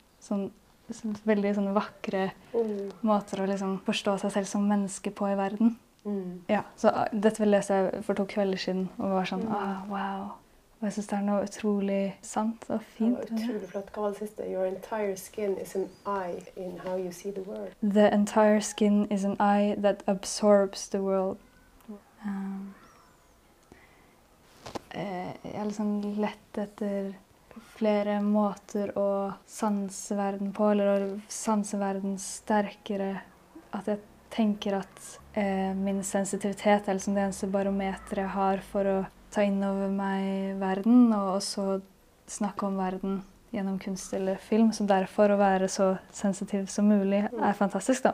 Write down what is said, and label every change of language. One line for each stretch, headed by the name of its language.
Norwegian: Sånn, veldig sånn vakre måter å liksom forstå seg selv som menneske på i verden. Mm. Ja, så dette vil lese jeg for to kvelder siden, og var sånn, wow. Og jeg synes det er noe utrolig sant og fint. Det var utrolig flott. Hva var det siste?
English: Your entire skin is an eye in how you see the world. The entire skin is an eye that absorbs the world.
Norwegian: jeg liksom lett etter flere måter å sanse verden på, eller å sanse verden sterkere. At jeg tenker at min sensitivitet er liksom det eneste barometer jeg har for å ta inn over meg verden, og også snakke om verden gjennom kunst eller film, som derfor å være så sensitiv som mulig er fantastisk, da.